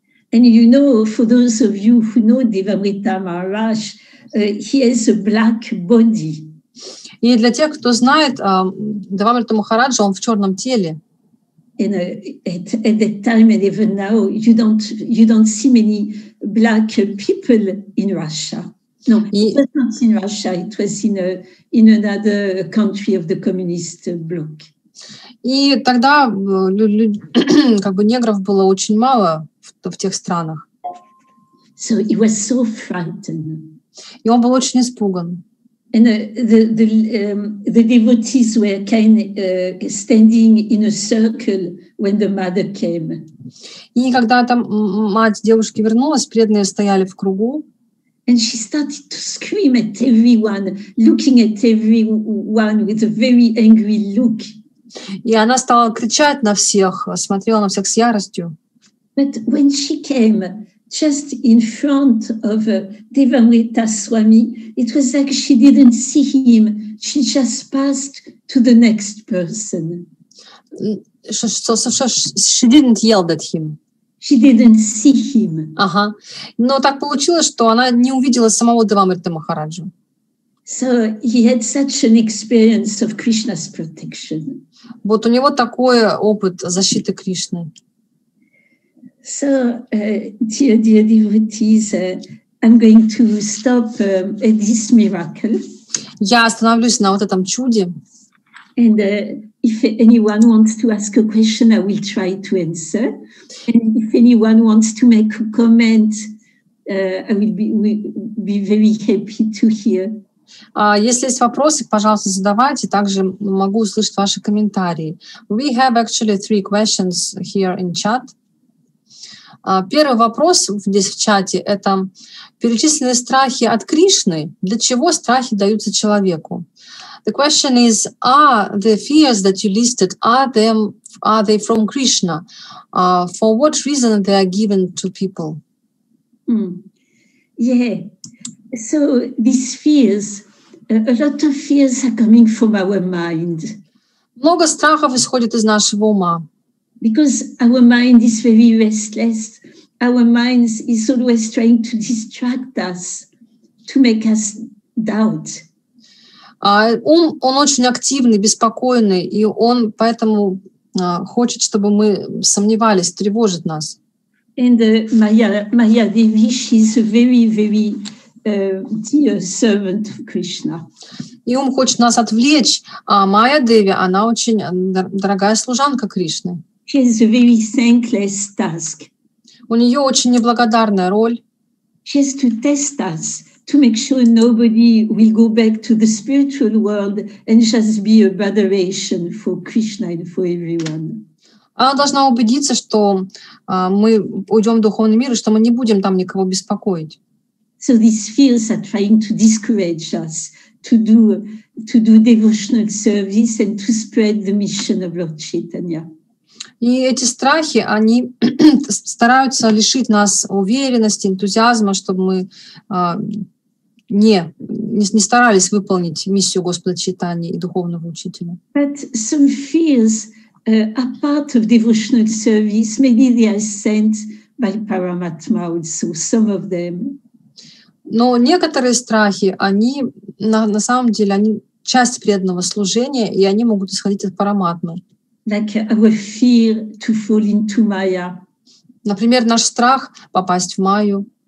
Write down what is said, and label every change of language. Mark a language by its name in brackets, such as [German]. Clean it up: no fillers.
[English] And you know, for those of you who know Devamrita Maharaj, he has a black body. [Russian] И для тех, кто знает Девамриту Махараджа, он в черном теле. [English] And at that time and even now, you don't see many black people in Russia. No, it was not in Russia. It was in another country of the communist bloc. [Russian] И тогда как бы негров было очень мало в тех странах. [English] So he was so frightened. [Russian] И он был очень испуган. [English] And the devotees were kind standing in a circle when the mother came. [Russian] И когда там мать девушки вернулась, преданные стояли в кругу. [English] And she started to scream at everyone, looking at everyone with a very angry look. [Russian] И она стала кричать на всех, смотрела на всех с яростью. [English] But when she came just in front of Devamrita Swami, it was like she didn't see him. She just passed to the next person. She didn't yell at him. She didn't see him. [Russian] Ага. Но так получилось, что она не увидела самого Девамриту Махараджу. [English] So he had such an experience of Krishna's protection. [Russian] Вот у него такой опыт защиты Кришны. [English] So, dear devotees, I'm going to stop at this miracle. [Russian] Я остановлюсь на вот этом чуде. [English] And if anyone wants to ask a question, I will try to answer. And if anyone wants to make a comment, I will be very happy to hear. [Russian] Если есть вопросы, пожалуйста, задавайте. Также могу услышать ваши комментарии. [English] We have actually three questions here in chat. [Russian] Первый вопрос здесь в чате – это перечисленные страхи от Кришны. Для чего страхи даются человеку? [English] The question is, are the fears that you listed, are they from Krishna? For what reason they are given to people? So these fears, a lot of fears are coming from our mind. [Russian] Много страхов исходит из нашего ума. [English] Because our mind is very restless. Our mind is always trying to distract us, to make us doubt. [Russian] Он очень активный, беспокойный, и он поэтому хочет, чтобы мы сомневались, тревожит нас. [English] And Maya Devi, she is a very, very dear servant of Krishna. [Russian] И он хочет нас отвлечь, а Maya Devi, она очень дорогая служанка Кришны. [English] She has a very thankless task. [Russian] У нее очень неблагодарная роль. [English] She has to test us. To make sure nobody will go back to the spiritual world and just be a botheration for Krishna and for everyone. [Russian] Она должна убедиться, что мы уйдем в духовный мир и что мы не будем там никого беспокоить. [English] So these fears are trying to discourage us to do devotional service and to spread the mission of Lord Chaitanya. [Russian] И эти страхи, они стараются лишить нас уверенности, энтузиазма, чтобы мы не старались выполнить миссию Господа Чайтаньи и духовного учителя. [English] But some fears are part of devotional service. Maybe they are sent by Paramatma also, some of them. [Russian] Но некоторые страхи, они на самом деле они часть преданного служения, и они могут исходить от Параматмы. [English] Like our fear to fall into Maya. [Russian] Например, наш страх попасть в Майю.